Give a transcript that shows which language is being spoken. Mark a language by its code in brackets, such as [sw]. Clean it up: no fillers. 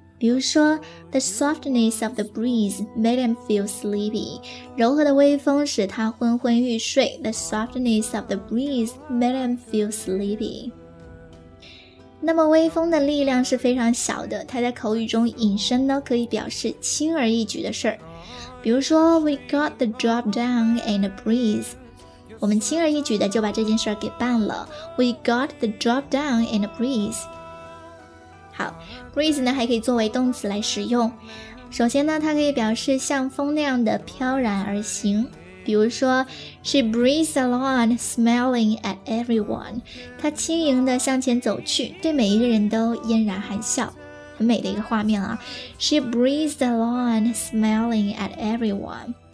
[zh] 比如说 [en] The softness of the breeze made him feel sleepy. [zh] 柔和的微风使他昏昏欲睡。 [en] The softness of the breeze made him feel sleepy. [zh] 那么微风的力量是非常小的，它在口语中引申呢，可以表示轻而易举的事儿。比如说 [en] We got the job done in a breeze. [zh] 我们轻而易举的就把这件事给办了。 [en] We got the job done in a breeze. [zh] 好 ,breeze 呢还可以作为动词来使用。首先呢，它可以表示像风那样的飘然而行。比如说 [en] ,she breezed along, smiling at everyone. [zh] 她轻盈地向前走去，对每一个人都嫣然含笑。很美的一个画面啊。 [en] She breezed along, smiling at everyone.